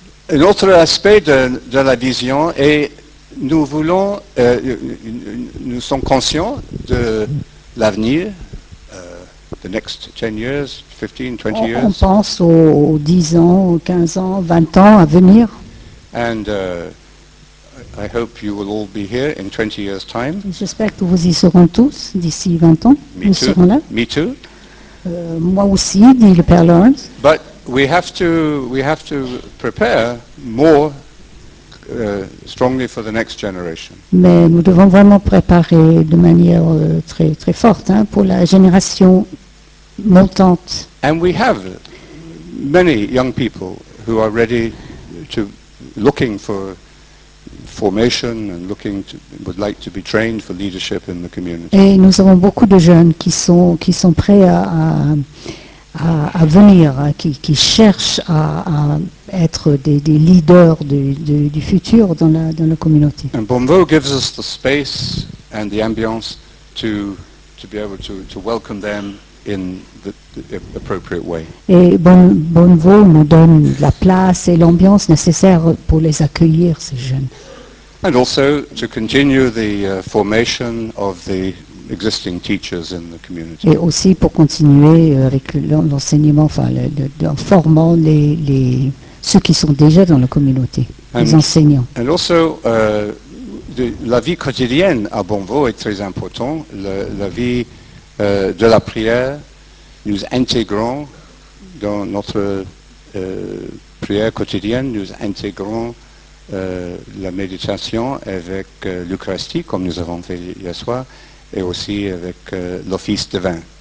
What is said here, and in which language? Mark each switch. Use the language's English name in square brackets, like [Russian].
[French] Un autre aspect de la vision est... Nous voulons, nous sommes conscients de l'avenir, [English] the next 10 years, 15, 20 years. [French] On pense aux 10 ans, aux 15 ans, 20 ans à venir. [English] And I hope you will all be here in 20 years' time. [French] J'espère que vous y serons tous d'ici 20 ans. [English] Me [French] nous Serons là. [English] Me too. [French] Moi aussi, dit le Père Lawrence. [English] But we have to prepare more. Strongly for the next generation. [French] Mais nous devons vraiment préparer de manière très très forte pour la génération montante. [English] And we have many young people who are ready to looking for formation and looking to would like to be trained for leadership in the community. [French] Et nous avons beaucoup de jeunes qui sont prêts à venir, qui cherchent à être des leaders du futur dans la communauté. [English] And Bonnevaux gives us the space and the ambiance to be able to welcome them in the appropriate way. [French] Et Bonnevaux nous donne la place et l'ambiance nécessaire pour les accueillir, ces jeunes. [English] And also to continue the formation of the existing teachers in the community. [French] Et aussi pour continuer avec l'enseignement, en formant les ceux qui sont déjà dans la communauté, les enseignants. [English] And also, [French] la vie quotidienne à Bonnevaux est très importante, la vie de la prière, nous intégrons dans notre prière quotidienne, nous intégrons la méditation avec l'Eucharistie, comme nous avons fait hier soir, et aussi avec l'office divin.